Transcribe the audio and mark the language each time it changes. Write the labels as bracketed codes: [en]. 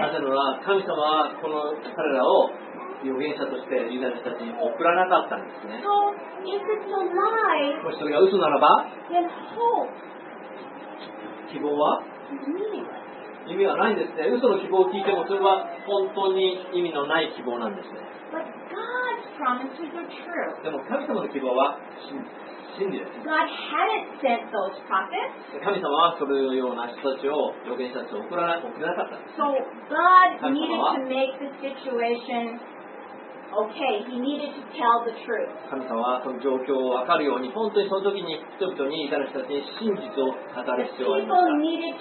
[ja] なぜなら神様はこの彼らを預言者としてユダヤ人たちに送らなかったんですね。 [en] So, if it's a lie, [ja] もしそれが嘘ならば、 [en] then hope [ja] 希望は意味はないんですね。嘘の希望を聞いてもそれは本当に意味のない希望なんですね。 [en] But God's promises are true. [ja] でも神様の希望は真実。 [en] God hadn't sent those prophets. [ja] 神様はそのような人たちを預言者たちを送らなかった。 [en] So God needed to make the situation okay. He needed to tell the truth. [ja] 神様はその状況を分かるように本当にその時に人々にいた人たちに真実を語る必要がありました。